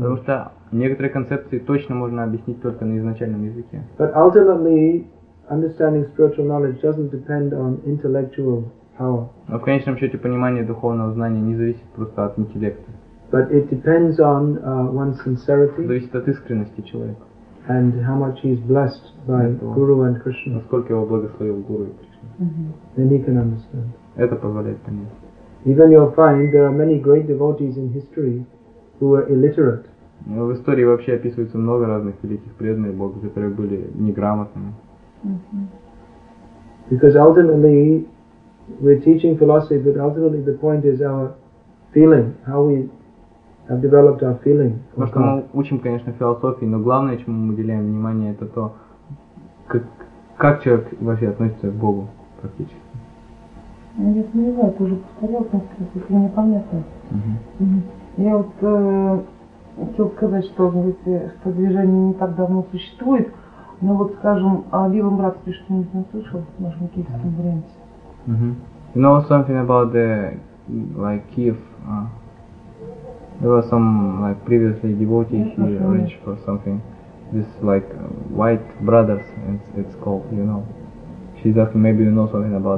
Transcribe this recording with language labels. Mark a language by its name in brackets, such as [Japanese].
[Russian] Потому что некоторые концепции точно можно объяснить только на изначальном языке. [English] But ultimately, understanding spiritual knowledge doesn't depend on intellectual power. [Russian] Но в конечном счете понимание духовного знания не зависит просто от интеллекта. [English] But it depends on one's sincerity. [Russian] Зависит от искренности человека. [English] And how much he's blessed by Guru and Krishna. [Russian] Насколько его благословил Гуру и Кришна. [English] Then he can understand. [Russian] Это позволяет понять. [English] Even you'll find there are many great devotees in history who were illiterate. [Russian] Ну, в истории вообще описывается много разных великих преданных Бога, которые были неграмотными. [English] Because ultimately we're teaching philosophy, but ultimately the point is our feeling, how we have developed our feeling. [Russian] Потому что мы учим, конечно, философии, но главное, чему мы уделяем внимание, это то, как человек вообще относится к Богу практически. Я не знаю, ты уже повторял, конечно, если мне понятно. Я вот хотел сказать, что, знаете, что движение не так давно существует, но вот, скажем, о Левом Братстве что-нибудь не слышал в нашем киевском варианте. [English] You know something about the, like, Kiev? There were some, like, previously devotees here, rich for something. This, like, White Brothers, it's called, you know. She's asking, maybe you know something about